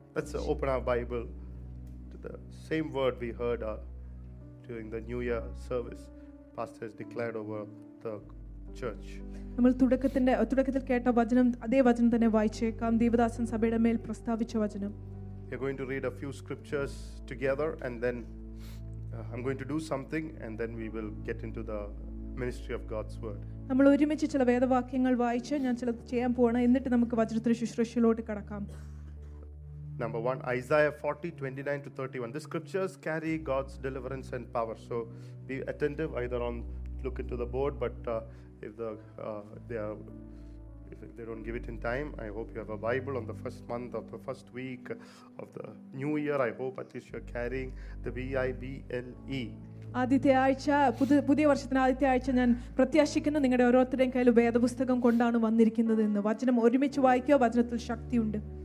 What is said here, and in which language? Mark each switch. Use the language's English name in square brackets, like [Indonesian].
[English] Let's open our Bible to the same word we heard during the New Year service. Pastor has declared over the church. [Malayalam] നമ്മൾ തുടക്കത്തിൽ കേട്ട വചനം അതേ വചനം തന്നെ വായിച്ചേക്കാം. ദേവദാസൻ സഭയുടെ മേൽ പ്രസ്താവിച്ച വചനം. [English] We are going to read a few scriptures together and then I'm going to do something and then we will get into the ministry of God's word. [Malayalam] നമ്മൾ ഒരുമിച്ച് ചില വേദവാക്യങ്ങൾ വായിച്ച് ഞാൻ ചിലത് ചെയ്യാൻ പോവാണ്. എന്നിട്ട് നമുക്ക് വചനത്തിന് ശുശ്രൂഷയിലോട്ട് കടക്കാം. [English] Number 1, Isaiah 40, 29 to 31. The scriptures carry God's deliverance and power. So be attentive, either on look into the board, but if they don't give it in time, I hope you have a Bible on the first month of the first week of the new year. I hope at least you're carrying the Bible. [Malayalam] ആദ്യത്തെ ആഴ്ച പുതിയ വർഷത്തിന് ആദ്യത്തെ ആഴ്ച ഞാൻ പ്രത്യാശിക്കുന്നു നിങ്ങളുടെ ഓരോരുത്തരുടെയും കയ്യിൽ വേദപുസ്തകം കൊണ്ടാണ് വന്നിരിക്കുന്നത് എന്ന്. വചനം ഒരുമിച്ച് വായിക്കുക, വചനത്തിൽ ശക്തിയുണ്ട്.